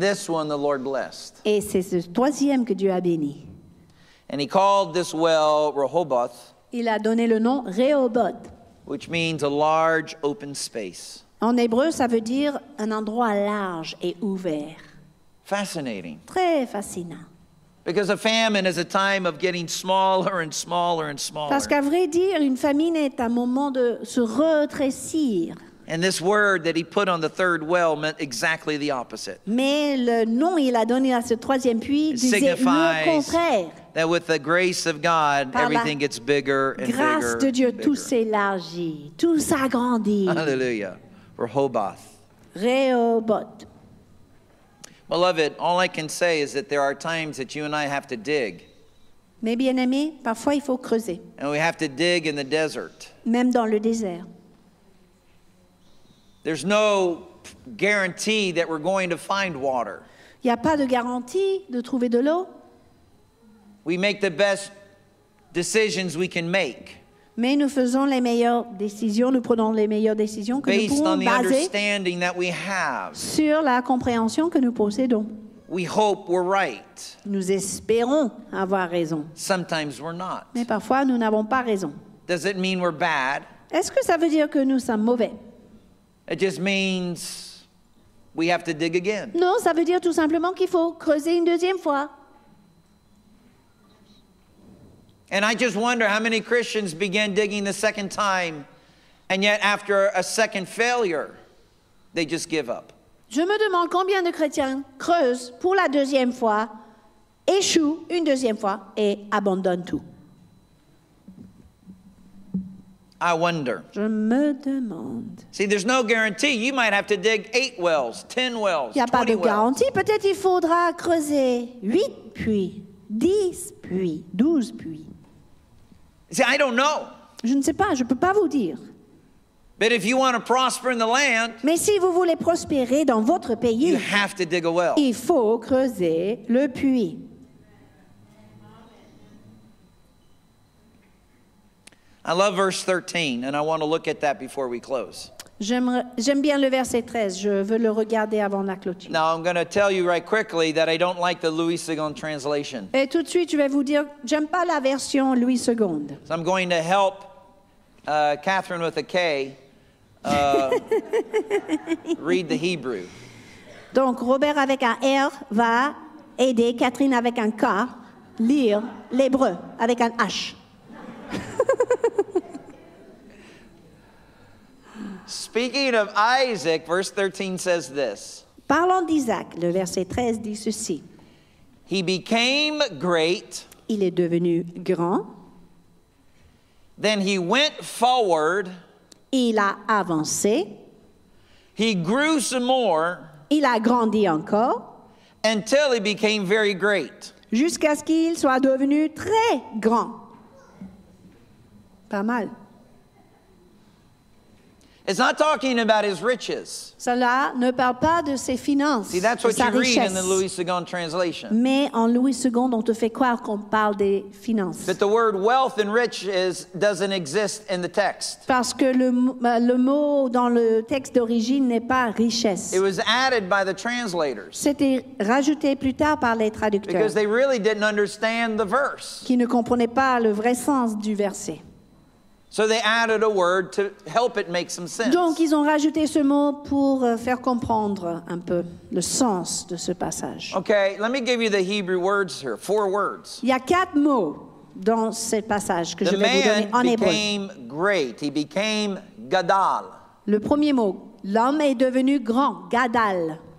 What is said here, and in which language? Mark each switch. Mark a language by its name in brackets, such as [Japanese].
[English] And this one the Lord blessed. [French] Et c'est ce troisième que Dieu a béni. [English] And he called this well Rehoboth. [French] Il a donné le nom Rehoboth. [English] Which means a large open space. [French] En hébreu, ça veut dire un endroit large et ouvert. [English] Fascinating. [French] Très fascinant. [English] Because a famine is a time of getting smaller and smaller and smaller. [French] Parce qu'à vrai dire, une famine est un moment de se retrécir. [English] And this word that he put on the third well meant exactly the opposite. [French] Mais le nom il a donné à ce troisième puits disait le contraire. [English] That with the grace of God, everything gets bigger and bigger. [French] Grâce de Dieu, tout s'élargit, tout s'agrandit. [English] Hallelujah. Rehoboth. Rehoboth. Beloved, all I can say is that there are times that you and I have to dig. [French] Mais bien aimé, parfois il faut creuser. [English] And we have to dig in the desert. [French] Même dans le désert. [English] There's no guarantee that we're going to find water. [French] Il n'y a pas de garantie de trouver de l'eau. [English] We make the best decisions we can make. [French] Mais nous faisons les meilleures décisions, nous prenons les meilleures décisions que [English] based [French] nous pouvons [English] on the [French] baser [English] understanding that we have. [French] Sur la compréhension que nous possédons. [English] We hope we're right. [French] Nous espérons avoir raison. [English] Sometimes we're not. [French] Mais parfois nous n'avons pas raison. [English] Does it mean we're bad? [French] Est-ce que ça veut dire que nous sommes mauvais? [English] It just means we have to dig again. [French] Non, ça veut dire tout simplement qu'il faut creuser une deuxième fois. [English] And I just wonder how many Christians began digging the second time, and yet after a second failure, they just give up. [French] Je me demande combien de chrétiens creusent pour la deuxième fois, échouent une deuxième fois et abandonnent tout. [English] I wonder. [French] Je me demande. [English] See, there's no guarantee. You might have to dig 8 wells, 10 wells, 20 wells. [French] Il n'y a pas de garantie. Peut-être il faudra creuser 8 puits, 10 puits, 12 puits. [English] See, I don't know. [French] Je ne sais pas, je peux pas vous dire. [English] But if you want to prosper in the land, [French] mais si vous voulez prospérer dans votre pays, [English] you have to dig a well. [French] Il faut creuser le puits. [English] I love verse 13, and I want to look at that before we close. [French] J'aime bien le verset 13. Je veux le regarder avant la clôture. [English] Now I'm going to tell you right quickly that I don't like the Louis II translation. [French] Et tout de suite, je vais vous dire, j'aime pas la version Louis II. [English] So I'm going to help Kathryn with a K read the Hebrew. [French] Donc Robert avec un R va aider Kathryn avec un K lire l'hébreu avec un H. [English] Speaking of Isaac, verse 13 says this. [French] Parlant d'Isaac, le verset 13 dit ceci. [English] He became great. [French] Il est devenu grand. [English] Then he went forward. [French] Il a avancé. [English] He grew some more. [French] Il a grandi encore. [English] Until he became very great. [French] Jusqu'à ce qu'il soit devenu très grand. Pas mal. [English] It's not talking about his riches. [French] Cela ne parle pas de ses finances. [English] See, that's what you [French] richesse [English] read in the Louis II translation. [French] Mais en Louis II, on te fait croire qu'on parle des finances. [English] But the word wealth and riches doesn't exist in the text. [French] Parce que le mot dans le texte d'origine n'est pas richesse. [English] It was added by the translators. [French] C'était rajouté plus tard par les traducteurs. [English] Because they really didn't understand the verse. [French] Qui ne comprenaient pas le vrai sens du verset. [English] So they added a word to help it make some sense. [French] Donc ils ont rajouté ce mot pour faire comprendre un peu le sens de ce passage. [English] Okay, let me give you the Hebrew words here. Four words. [French] Il y a quatre mots dans ce passage que [English] the [French] je vais vous donner en hébreu. [English] The man became great. He became gadal. [French] Le premier mot, l'homme est devenu grand, gadal.